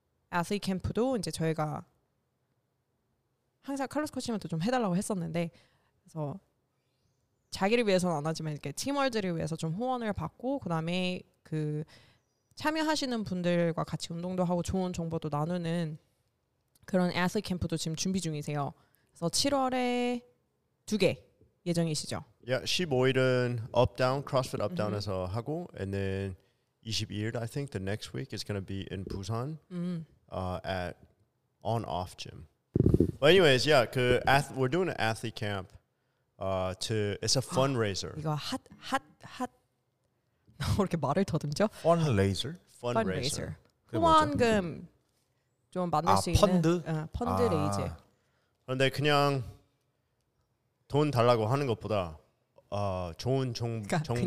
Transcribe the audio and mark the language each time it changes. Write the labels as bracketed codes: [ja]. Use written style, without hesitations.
[ko] 애슬캠프도 이제 저희가 항상 칼로스 코치님한테 좀 해달라고 했었는데 그래서 자기를 위해서는 안 하지만 이렇게 팀월드를 위해서 좀 후원을 받고 그다음에 그 참여하시는 분들과 같이 운동도 하고 좋은 정보도 나누는 그런 애슬캠프도 지금 준비 중이세요. 그래서 7월에 두 개 예정이시죠? [en] Yeah, [ko] 15일은 [en] Updown, CrossFit Updown에서 mm-hmm. [ko] 하고 [en] and then 22일, I think the next week is going to be in Busan mm-hmm. At On Off Gym. But anyways, yeah, we're doing an athlete camp it's a fundraiser. [ko] 이거 핫 왜 이렇게 말을 더듬죠? [en] Fundraiser. [ko] 후원금 좀 받을 수 있는 펀드레이저. 그런데 그냥 돈 달라고 하는 것보다 좋은 그러니까 정보를